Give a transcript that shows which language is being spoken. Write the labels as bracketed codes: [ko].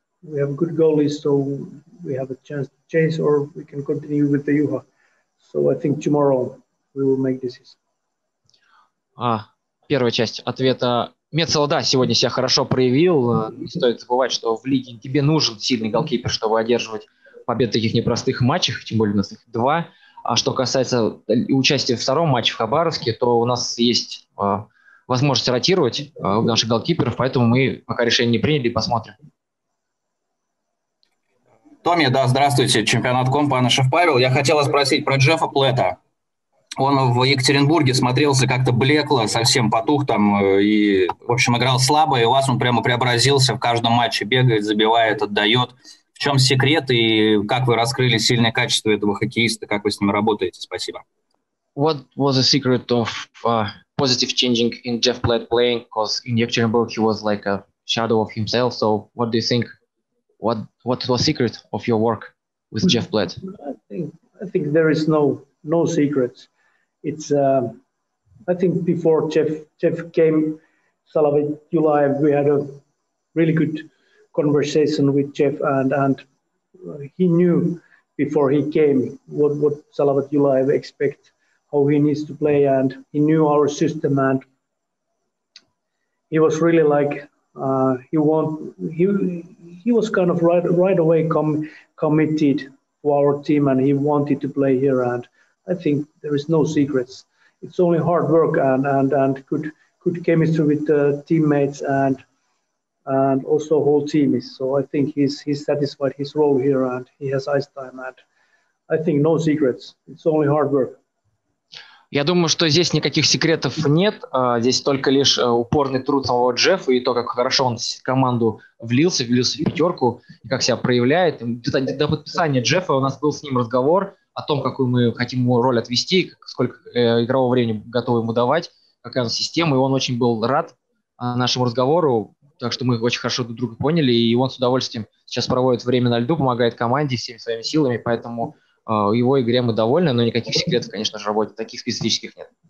[en] We have a good goalie, so we have a chance to chase, or we can continue with the Juha. So I think tomorrow we will make this. [ru] Первая часть ответа. Мецел, да, сегодня себя хорошо проявил. Не стоит забывать, что в лиге тебе нужен сильный голкипер, чтобы одерживать победу в таких непростых матчах, тем более у нас их два. А что касается участия в втором матче в Хабаровске, то у нас есть возможность ротировать наших голкиперов, поэтому мы пока решение не приняли, посмотрим. Томми, да, здравствуйте. Чемпионат Компа, Анашев Павел. Я хотел спросить про Джеффа Плетта. Он в Екатеринбурге смотрелся как-то блекло, совсем потух там, и, в общем, играл слабо, и у вас он прямо преобразился в каждом матче, бегает, забивает, отдает. В чем секрет, и как вы раскрыли сильные качества этого хоккеиста, как вы с ним работаете? Спасибо. [en] What was the secret of positive changing in Jeff Platt playing? Because in Екатеринбург he was like a shadow of himself, so what do you think? What was the secret of your work with Jeff Platt? I think there is no secrets. It's I think before Jeff came, Salavat July, we had a really good conversation with Jeff, and he knew before he came what Salavat July expect, how he needs to play, and he knew our system, and he was really like he was kind of right away committed to our team, and he wanted to play here, and I think there is no secrets. It's only hard work and good chemistry with the teammates and also whole team is. So I think he's satisfied his role here and he has ice time. And I think no secrets. It's only hard work. [ru] Я думаю, что здесь никаких секретов нет. Здесь только лишь упорный труд самого Джеффа и то, как хорошо он в команду влился в пятерку, как себя проявляет. До подписания Джеффа у нас был с ним разговор о том, какую мы хотим ему роль отвести, сколько игрового времени готовы ему давать, какая у нас система, и он очень был рад нашему разговору, так что мы очень хорошо друг друга поняли, и он с удовольствием сейчас проводит время на льду, помогает команде всеми своими силами, поэтому его игре мы довольны, но никаких секретов, конечно же, в работе таких специфических нет.